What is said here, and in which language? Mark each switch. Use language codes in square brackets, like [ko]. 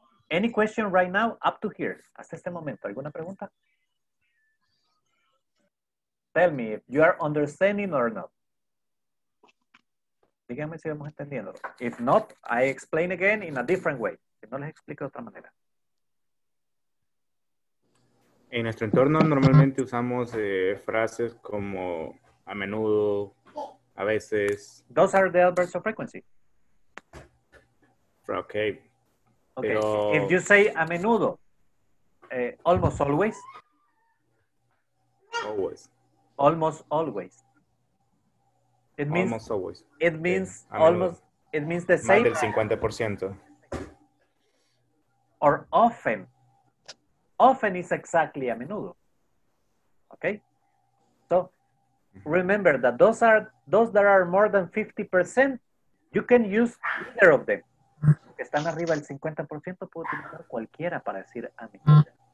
[en] Any question right now up to here? [es] Hasta este momento, ¿alguna pregunta? [en] Tell me if you are understanding or not. [es] Díganme si vamos entendiendo. [en] If not, I explain again in a different way. [es] Si no, les explico de otra manera. En nuestro entorno normalmente usamos frases como a menudo, a veces. [en] Those are the adverbs of frequency. Okay. Okay, pero, if you say a menudo, almost always. Always. Almost always. It means almost always. It means yeah, almost, menudo. It means the [es] más [en] same. [es] Del 50%. [en] Or often. Often is exactly a menudo. Okay? So, remember that those that are more than 50%, you can use either of them. [es] Están arriba del 50%, puedo utilizar cualquiera para decir a mi vida.